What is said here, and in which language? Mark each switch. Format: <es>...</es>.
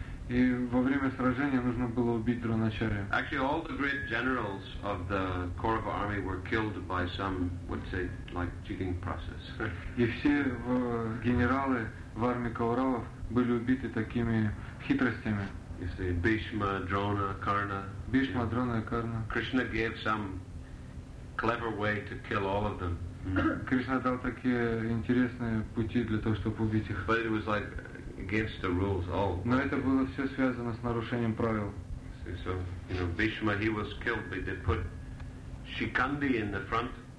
<ru>И во время сражения нужно было убить Дроначарья.</ru> <en>Actually, all the great generals of the Kaurava army were killed by some, would say, like cheating process.</en> <ru>И все генералы в армии Кауравов были убиты такими хитростями.</ru> <en>You see, Bhishma, Drona, Karna.</en> <ru>Bhishma, Drona, Karna.</ru> <en>Krishna gave some clever way to kill all of them.</en> <ru>Krishna дал такие интересные пути для того, чтобы убить их.</ru> <en>But it was like against the rules. All.</en> <ru>Но это было все связано с нарушением правил.</ru> <en>See, so, you know, Bhishma, he was killed, but they put Shikhandi in the front.</en>